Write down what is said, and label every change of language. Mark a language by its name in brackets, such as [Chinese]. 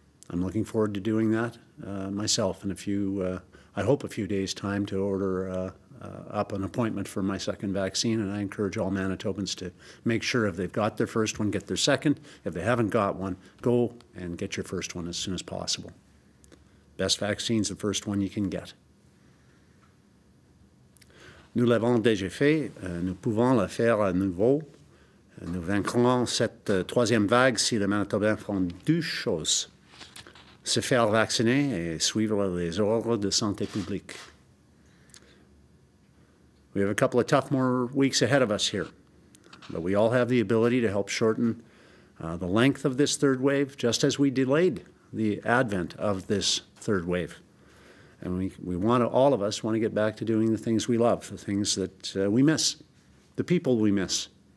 [English] I'm looking forward to doing that myself in a few, I hope a few days' time to order up an appointment for my second vaccine, and I encourage all Manitobans to make sure if they've got their first one, get their second. If they haven't got one, go and get your first one as soon as possible. Best vaccine's the first one you can get. [French] Nous l'avons déjà fait, nous pouvons le faire à nouveau. Nous vaincrons cette troisième vague si les Manitobains font deux choses. Se faire vacciner et suivre les ordres de santé publique. [English] We have a couple of tough more weeks ahead of us here, but we all have the ability to help shorten the length of this third wave, just as we delayed the advent of this third wave. And we want to get back to doing the things we love, the things that we miss, the people we miss.